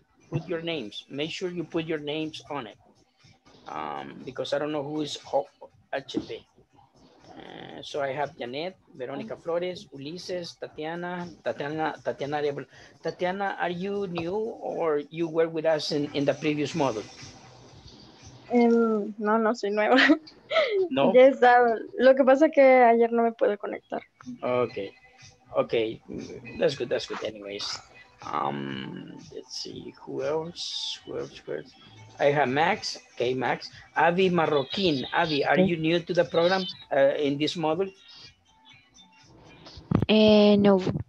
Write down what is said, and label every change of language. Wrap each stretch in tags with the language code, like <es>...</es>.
<en>Put your names, make sure you put your names on it. Because I don't know who is HP. So I have Janet, Veronica Flores, Ulises, Tatiana, are you new or you were with us in the previous module?</en> <es>No, soy nueva. No. Lo que pasa es que ayer no me pude conectar.</es> <en>Okay. That's good. Anyways, let's see who else. I have Max. Okay, Max. Avi Marroquin. Avi, are you new to the program in this module? No.</en>